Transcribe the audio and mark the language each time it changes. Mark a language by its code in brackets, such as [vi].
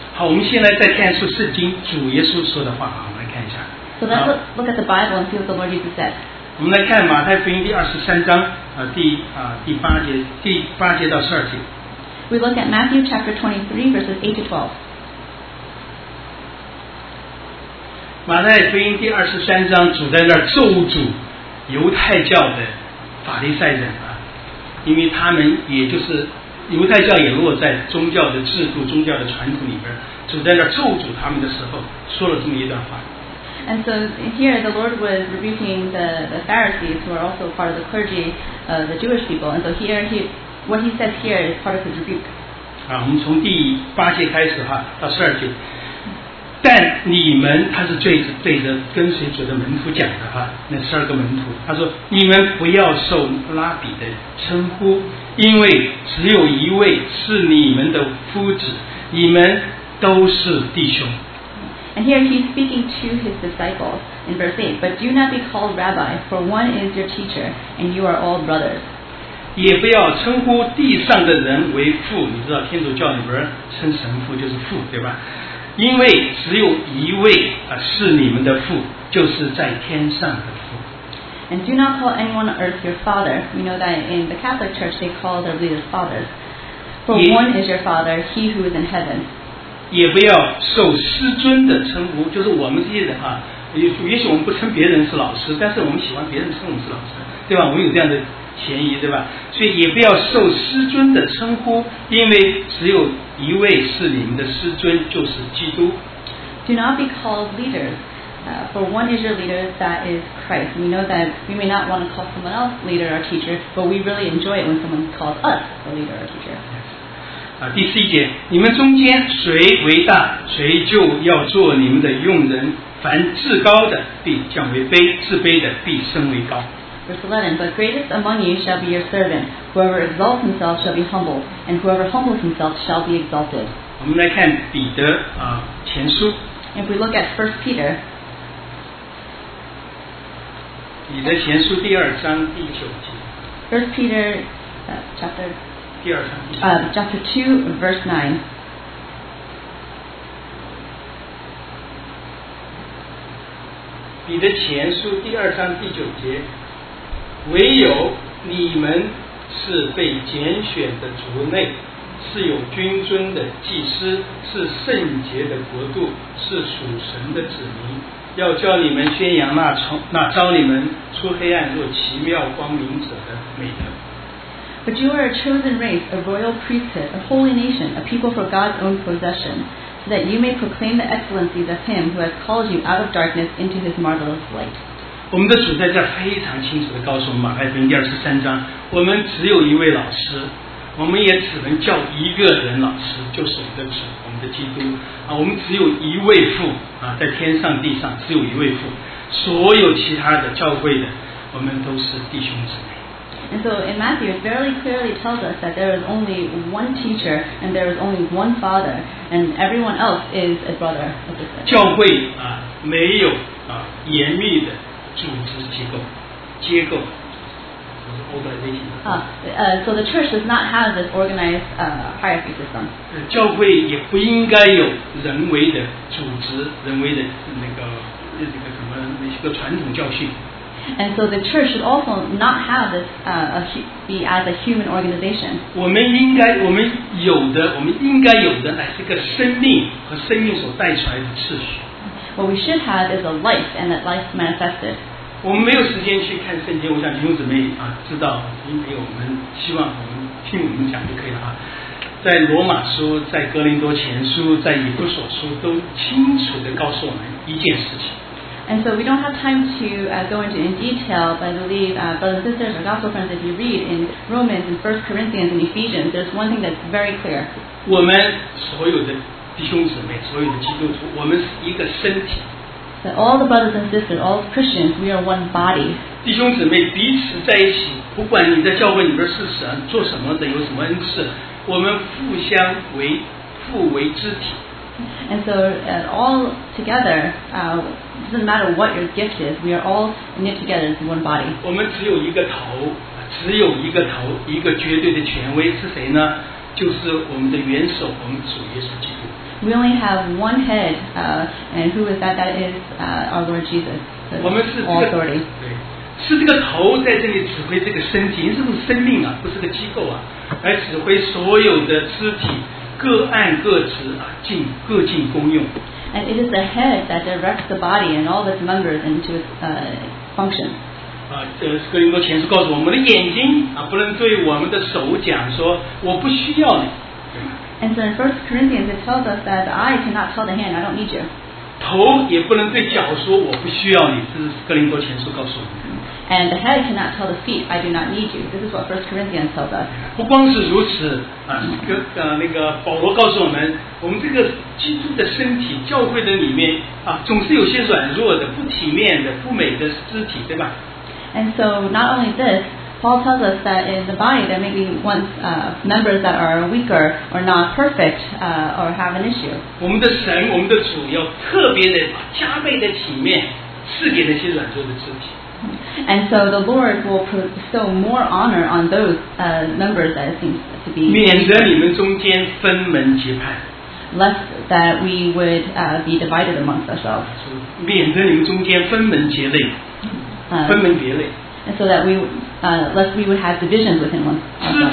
[zh] 好，我们现在再看出圣经主耶稣说的话，我们来看一下。 [en] So let's look at the Bible and see what the Lord Jesus said. [zh] 我们来看马太福音第23章第八节到12节。 [en] We look at Matthew chapter 23 verses 8-12. [zh] 马太福音第23章，主在那儿咒诅犹太教的法利赛人啊，因为他们也就是犹太教也落在宗教的制度、宗教的传统里边，主在那儿咒诅他们的时候，说了这么一段话。 [en] And so here the Lord was rebuking the Pharisees who are also part of the clergy, the Jewish people. And so here what he says here is part of his rebuke. [zh] 啊，我们从第八节开始哈，到十二节。但你们，他是对着跟随主的门徒讲的哈，那十二个门徒，他说你们不要受拉比的称呼，因为只有一位是你们的夫子，你们都是弟兄。 [en] And here he's speaking to his disciples in verse 8, but do not be called rabbi, for one is your teacher, and you are all brothers. [zh] 也不要称呼地上的人为父，你知道天主教里边称神父就是父，对吧？因为只有一位是你们的父，就是在天上的父。 [en] And do not call anyone on earth your father. We know that in the Catholic Church they call their leaders fathers. For one is your father, he who is in heaven. [zh] 也不要受师尊的称呼，就是我们这些人啊，也许我们不称别人是老师，但是我们喜欢别人称我们是老师，对吧？我们有这样的嫌疑，对吧？所以也不要受师尊的称呼，因为只有一位是你们的师尊，就是基督。 [en] Do not be called leaders, for one is your leader, that is Christ. We know that we may not want to call someone else leader or teacher, but we really enjoy it when someone calls us a leader or teacher. [zh] 第四节，你们中间谁为大，谁就要做你们的用人。凡至高的必降为卑，至卑的必升为高。 [en] Verse 11, but greatest among you shall be your servant. Whoever exalts himself shall be humbled, and whoever humbles himself shall be exalted. [zh] 我们来看彼得前书。 [en] If we look at 1 Peter, [zh] 彼得前书第二章第九节。 [en] First Peter, chapter. [zh] 第二章。 [en] Chapter 2, verse 9. [zh] 彼得前书第二章第九节，唯有你们是被拣选的族类，是有君尊的祭司，是圣洁的国度，是属神的子民，要叫你们宣扬那召你们出黑暗入奇妙光明者的美德。 [en] But you are a chosen race, a royal priesthood, a holy nation, a people for God's own possession. That you may proclaim the excellencies of Him who has called you out of darkness into His marvelous light. [zh] 我们的主在这非常清楚地告诉我们，马太福音第23章，我们只有一位老师，我们也只能叫一个人老师，就是我们的主，我们的基督。我们只有一位父在天上地上只有一位父，所有其他的教会的，我们都是弟兄姊妹。 [en] And so in Matthew, it very clearly tells us that there is only one teacher and there is only one father and everyone else is a brother. [zh] 教会没有严密的组织结构。 [en] So the church does not have this organized hierarchy system. [zh] 教会也不应该有人为的组织，人为的那个传统教训。 [en] And so the church should also not have this be as a human organization. [zh] 我们有的，我们应该有的乃是个生命和生命所带出来的秩序。 [en] What we should have is a life, and that life manifested. [zh] 我们没有时间去看圣经，我想弟兄姊妹知道，因为我们希望我们听我们讲就可以了在罗马书、在哥林多前书、在以弗所书，都清楚地告诉我们一件事情。 [en] And so we don't have time to go into in detail, but I believe brothers and sisters or gospel friends, if you read in Romans and 1 Corinthians and Ephesians, there's one thing that's very clear. [zh] 我们所有的弟兄姊妹，所有的基督徒，我们是一个身体。 [en] that all the brothers and sisters, all Christians, we are one body. [zh] 弟兄姊妹彼此在一起，不管你在教会里面是神做什么的，有什么恩赐，我们互相为互为肢体。 [en] And so, all together, doesn't matter what your gift is, we are all knit together as one body. [zh] 我们只有一个头，只有一个头，一个绝对的权威是谁呢？就是我们的元首，我们主耶稣基督。 [en] We only have one head, and who is that? That is our Lord Jesus. The [zh] 我们是、这个、 [en] authority. [zh] 对，是这个头在这里指挥这个身体，是不是生命啊？不是个机构啊，来指挥所有的肢体。各按各职啊，尽各尽功用。 [en] And it is the head that directs the body and all its members into its function. [zh] 啊，这哥林多前书告诉我们的眼睛啊，不能对我们的手讲说我不需要你。 [en] And so in 1 Corinthians it tells us that the eye cannot tell the hand, I don't need you. [zh] 头也不能对脚说我不需要你，这是哥林多前书告诉我们。 [en] And the head cannot tell the feet, I do not need you. This is what 1 Corinthians tells us. [zh] 不光是如此、啊那个、保罗告诉我们，我们这个基督的身体，教会的里面、啊、总是有些软弱的，不体面的，不美的肢体，对吧？ [en] And so not only this, Paul tells us that in the body there may be once members that are weaker or not perfect or have an issue. [zh] 我们的神，我们的主要特别的加倍的体面，赐给那些软弱的肢体。 [en] And so the Lord will bestow more honor on those members that seems to be. [zh] 免得你们中间分门结派。 [en] Lest that we would be divided amongst ourselves. [zh] 免得你们中间分门结类。分门别类。 [en] And so that we lest we would have divisions within one another.